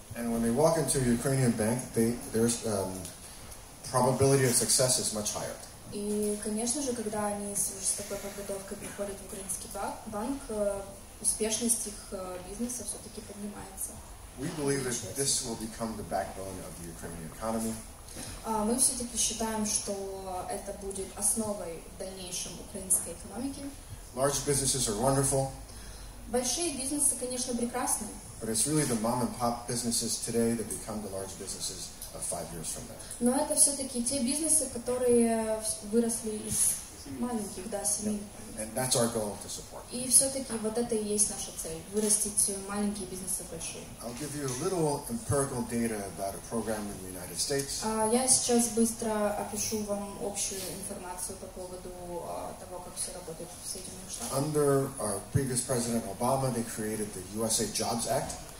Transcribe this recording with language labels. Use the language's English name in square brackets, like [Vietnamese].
[English] And when they walk into a Ukrainian bank, there's probability of success is much higher. [Russian] И, конечно же, когда они с такой подготовкой приходят в украинский банк, успешность их бизнеса все-таки поднимается. [English] We believe that this will become the backbone of the Ukrainian economy. [Russian] Мы все-таки считаем, что это будет основой в дальнейшем украинской экономики. [English] Large businesses are wonderful. [Russian] Большие бизнесы, конечно, прекрасны. [English] But it's really the mom and pop businesses today that become the large businesses of 5 years from now. [Russian] Но это все-таки те бизнесы, которые выросли из маленьких, да, семей. [English] Yeah. And that's our goal to support. [Russian] И все-таки вот это и есть наша цель – вырастить маленькие бизнесы большие. [English] I'll give you a little empirical data about a program in the United States. [Russian] Я сейчас быстро опишу вам общую информацию по поводу того, как все работает в Соединенных Штатах. [English] Under our previous president Obama, they created the USA Jobs Act.